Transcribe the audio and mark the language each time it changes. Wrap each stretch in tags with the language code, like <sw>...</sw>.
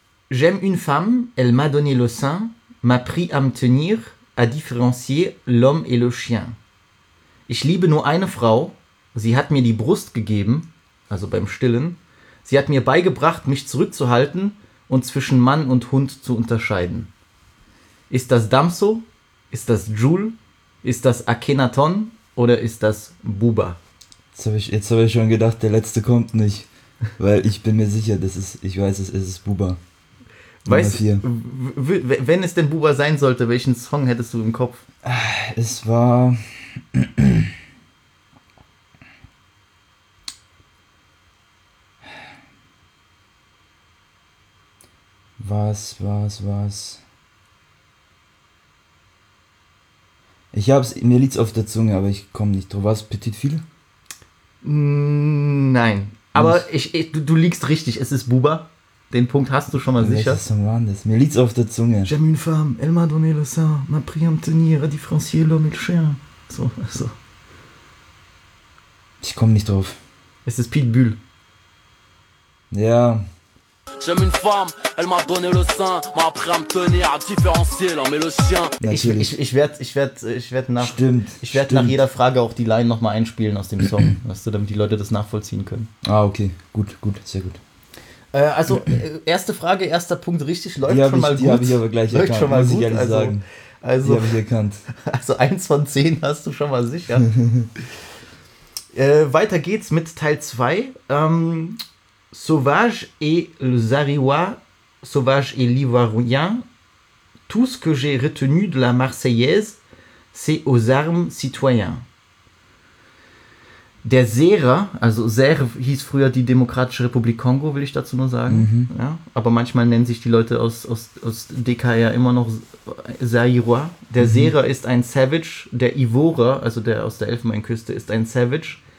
<fr>J'aime une femme, elle m'a donné le sein, m'a pris à me tenir, à différencier l'homme et le chien.</fr> <de>Ich liebe nur eine Frau, sie hat mir die Brust gegeben, also beim Stillen, sie hat mir beigebracht, mich zurückzuhalten und zwischen Mann und Hund zu unterscheiden. Ist das Damso? Ist das Jules? Ist das Akhenaton? Oder ist das Buba? Jetzt habe ich schon gedacht, der Letzte kommt nicht, weil ich bin mir sicher, es ist Buba. Weißt du, wenn es denn Buba sein sollte, welchen Song hättest du im Kopf? Es war... Was? Ich hab's, mir liegt's auf der Zunge, aber ich komme nicht drauf. War's Petit Phil? Nein, aber du liegst richtig, es ist Buba. Den Punkt hast du schon mal sicher. Welches Song war das? Mir liegt's auf der Zunge.</de> <fr>J'aime une femme, elle m'a donné le sein, m'a pris à me tenir, à différencier l'homme et le chien.</fr> <de>So. Ich komme nicht drauf. Es ist Pete Bühl. Ja.</de> <fr>J'aime une femme, elle m'a donné le sein, m'a appris à me tenir, à différencier l'homme et le chien.</fr> <de>Ich werd nach jeder Frage auch die Line nochmal einspielen aus dem Song, weißt du, damit die Leute das nachvollziehen können. Ah, okay, gut, sehr gut. Also, erste Frage, erster Punkt, richtig, läuft schon mal gut. Die habe ich aber gleich erkannt, schon mal muss gut, ich ehrlich also, sagen. Also, die habe ich erkannt. Also, 1 von 10 hast du schon mal sicher. weiter geht's mit Teil 2.</de> <fr>Sauvage et le Zariwa, Sauvage et l'Ivoirien, tout ce que j'ai retenu de la Marseillaise, c'est aux armes citoyens.</fr> <de>Der Zaire, also Zaire hieß früher die Demokratische Republik Kongo, will ich dazu nur sagen. Mhm. Ja, aber manchmal nennen sich die Leute aus DKR immer noch Zaire. Der Zaire ist ein Savage, der Ivore, also der aus der Elfenbeinküste, ist ein Savage.</de>